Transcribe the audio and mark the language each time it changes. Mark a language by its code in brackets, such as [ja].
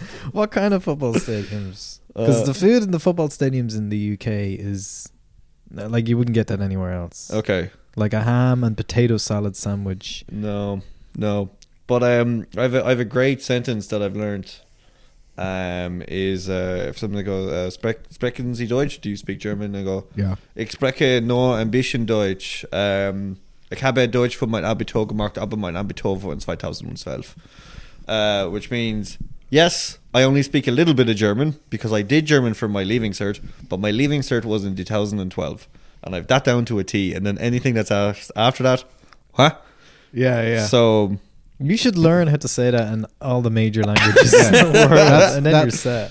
[en] What kind of football stadiums? Because the food in the football stadiums in the UK is like you wouldn't get that anywhere else. Okay, like a ham and potato salad sandwich. No. But I have a great sentence that I've learned. If somebody goes [de] sprechen Sie Deutsch? [en] Do you speak German? I go, yeah. [de] Ich spreche nur ein bisschen Deutsch. Ich habe Deutsch für mein Abitur gemacht, aber mein Abitur war in 2012. [en] Which means, yes, I only speak a little bit of German because I did German for my Leaving Cert, but my Leaving Cert was in 2012. And I've that down to a T. And then anything that's asked after that, huh? Yeah, yeah. So... You should learn how to say that in all the major languages in the world, and then you're set.